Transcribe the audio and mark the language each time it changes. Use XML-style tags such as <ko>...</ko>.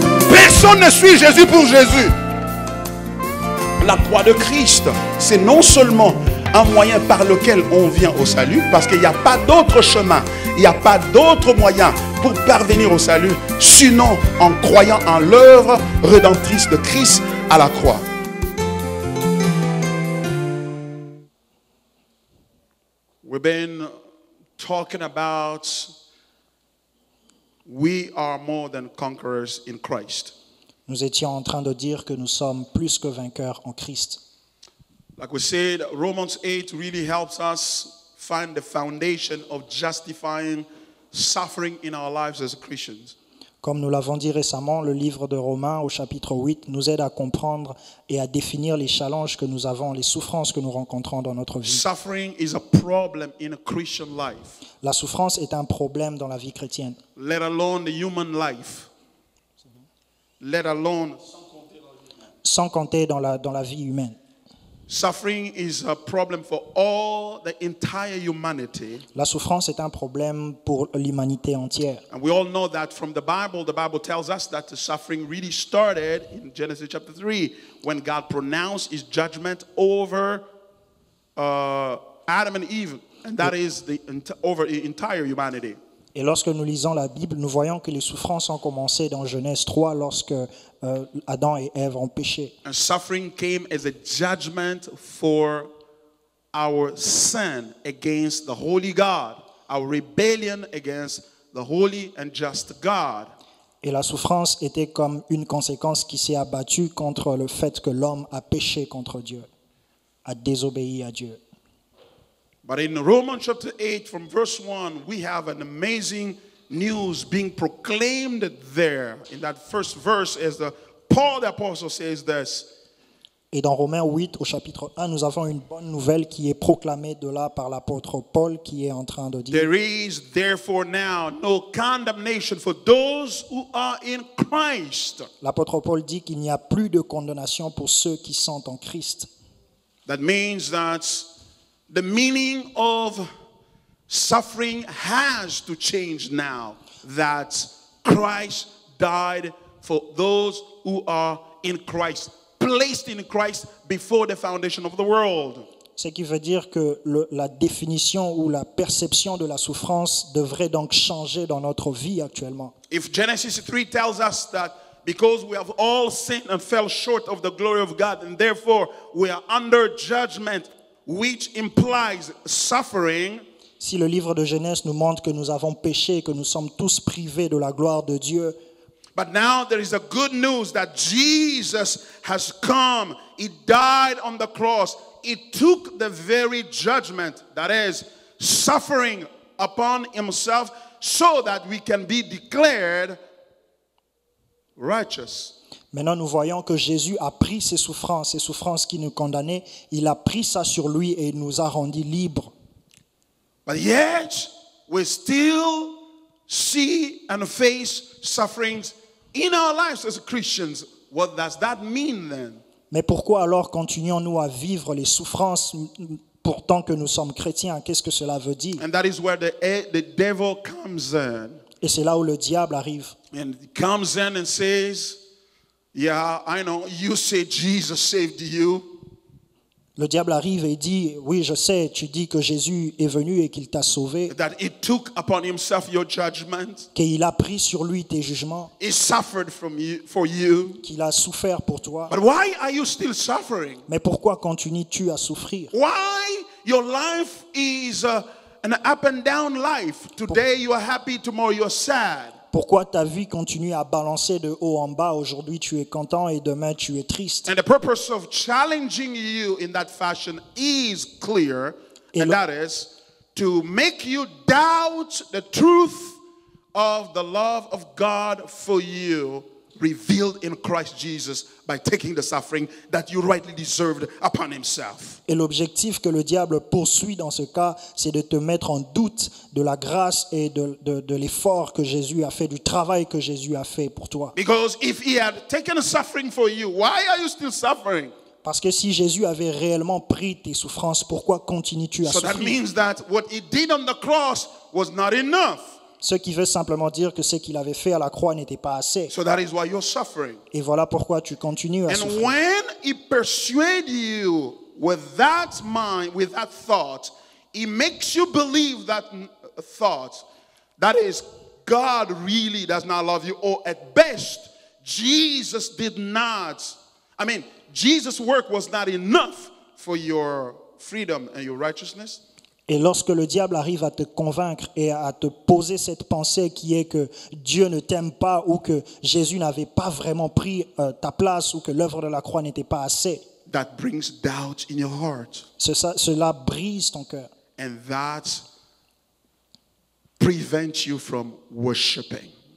<fr>Personne ne suit Jésus pour Jésus. La croix de Christ, c'est non seulement un moyen par lequel on vient au salut, parce qu'il n'y a pas d'autre chemin, il n'y a pas d'autre moyen pour parvenir au salut, sinon en croyant en l'œuvre rédemptrice de Christ à la croix.</fr> <en>We've been talking about we are more than conquerors in Christ.</en> <fr>Nous étions en train de dire que nous sommes plus que vainqueurs en Christ.</fr> <en>Like we said, Romans 8 really helps us find the foundation of justifying suffering in our lives as Christians.</en> <fr>Comme nous l'avons dit récemment, le livre de Romains au chapitre 8 nous aide à comprendre et à définir les challenges que nous avons, les souffrances que nous rencontrons dans notre vie.</fr> <en>Suffering is a problem in a Christian life.</en> <fr>La souffrance est un problème dans la vie chrétienne.</fr> <en>Let alone the human life. Let alone.</en> <fr>Sans compter dans la vie humaine.</fr> <en>Suffering is a problem for all the entire humanity.</en> <fr>La souffrance est un problème pour l'humanité entière.</fr> <en>And we all know that from the Bible tells us that the suffering really started in Genesis chapter 3 when God pronounced his judgment over Adam and Eve, and that is over the entire humanity.</en> <fr>Et lorsque nous lisons la Bible, nous voyons que les souffrances ont commencé dans Genèse 3 lorsque Adam et Ève ont péché.</fr> <en>And suffering came as a judgment for our sin against the holy God, our rebellion against the holy and just God.</en> <fr>Et la souffrance était comme une conséquence qui s'est abattue contre le fait que l'homme a péché contre Dieu, a désobéi à Dieu.</fr> <en>But in Romans chapter 8 from verse 1, we have an amazing news being proclaimed there. In that first verse, as Paul the Apostle says this.</en> <fr>Et dans Romains 8 au chapitre 1, nous avons une bonne nouvelle qui est proclamée de là par l'apôtre Paul qui est en train de dire.</fr> <en>There is therefore now no condemnation for those who are in Christ.</en> <fr>L'apôtre Paul dit qu'il n'y a plus de condamnation pour ceux qui sont en Christ.</fr> <en>That means that the meaning of suffering has to change now that Christ died for those who are in Christ, placed in Christ before the foundation of the world.</en> <fr>Ce qui veut dire que la définition ou la perception de la souffrance devrait donc changer dans notre vie actuellement.</fr> <en>If Genesis 3 tells us that because we have all sinned and fell short of the glory of God and therefore we are under judgment, which implies suffering.</en> <fr>Si le livre de Genèse nous montre que nous avons péché et que nous sommes tous privés de la gloire de Dieu.</fr> <en>But now there is a good news that Jesus has come. He died on the cross. He took the very judgment, that is, suffering upon himself so that we can be declared righteous.</en> <fr>Maintenant, nous voyons que Jésus a pris ses souffrances qui nous condamnaient. Il a pris ça sur lui et nous a rendus libres.</fr> <en>But yet, we still see and face sufferings in our lives as Christians. What does that mean then?</en> <fr>Mais pourquoi alors continuons-nous à vivre les souffrances pourtant que nous sommes chrétiens? Qu'est-ce que cela veut dire?</fr> <en>And that is where the devil comes in.</en> <fr>Et c'est là où le diable arrive.</fr> <en>And he comes in and says, yeah, I know. You say Jesus saved you.</en> <fr>Le diable arrive et dit, oui, je sais. Tu dis que Jésus est venu et qu'il t'a sauvé.</fr> <en>That he took upon himself your judgment.</en> <fr>Qu'il a pris sur lui tes jugements.</fr> <en>He suffered for you.</en> <fr>Qu'il a souffert pour toi.</fr> <en>But why are you still suffering?</en> <fr>Mais pourquoi continues-tu à souffrir?</fr> <en>Why your life is an up and down life? Today you are happy, tomorrow you're sad.</en> <fr>Pourquoi ta vie continue à balancer de haut en bas? Aujourd'hui tu es content et demain tu es triste.</fr> <en>And the purpose of challenging you in that fashion is clear, and that is to make you doubt the truth of the love of God for you revealed in Christ Jesus by taking the suffering that you rightly deserved upon himself.</en> <fr>Et l'objectif que le diable poursuit dans ce cas, c'est de te mettre en doute de la grâce et de l'effort que Jésus a fait, du travail que Jésus a fait pour toi.</fr> <en>Because if he had taken suffering for you, why are you still suffering?</en> <fr>Parce que si Jésus avait réellement pris tes souffrances, pourquoi continues-tu à souffrir?</fr> <en>So that means that what he did on the cross was not enough.</en> <fr>Ce qui veut simplement dire que ce qu'il avait fait à la croix n'était pas assez.</fr> <en>So that is why you're suffering.</en> <fr>Et voilà pourquoi tu continues à</fr> <en>and</en> <fr>souffrir.</fr> <en>When he persuades you with that mind, with that thought, he makes you believe that thought. That is, God really does not love you. Or at best, Jesus did not. I mean, Jesus' work was not enough for your freedom and your righteousness.</en> <fr>Et lorsque le diable arrive à te convaincre et à te poser cette pensée qui est que Dieu ne t'aime pas ou que Jésus n'avait pas vraiment pris ta place ou que l'œuvre de la croix n'était pas assez,</fr> <en>that brings doubt in your heart.</en> <fr>Cela brise ton cœur.</fr> <en>And that prevents you from worshiping.</en>